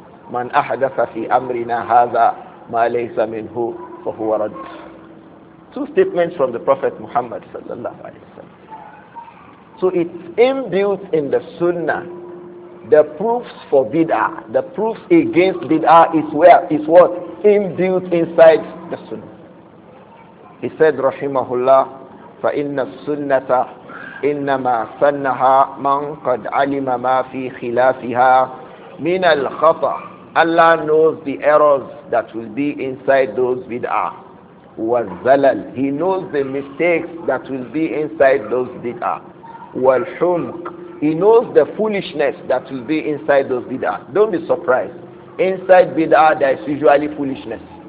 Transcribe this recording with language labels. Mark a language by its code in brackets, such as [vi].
[ar] Man ahdatha fi amrina hadha ma laysa minhu fa huwa radd. [en] Two statements from the Prophet Muhammad sallallahu alayhi wa sallam. So it's inbuilt in the sunnah. The proofs for bid'ah, the proofs against bid'ah is where, is what? Inbuilt inside the sunnah. He said, Rahimahullah, [ar] فَإِنَّ السُنَّةَ إِنَّمَا سَنَّهَا مَنْ قَدْ عَلِمَ مَا فِي خِلَافِهَا مِنَ الْخَطَى. [en] Allah knows the errors that will be inside those bid'ah. [ar] وَالزَّلَلْ, [en] He knows the mistakes that will be inside those bid'ah. [ar] وَالْحُمْقِ, [en] He knows the foolishness that will be inside those bid'ah. Don't be surprised. Inside bid'ah, there is usually foolishness.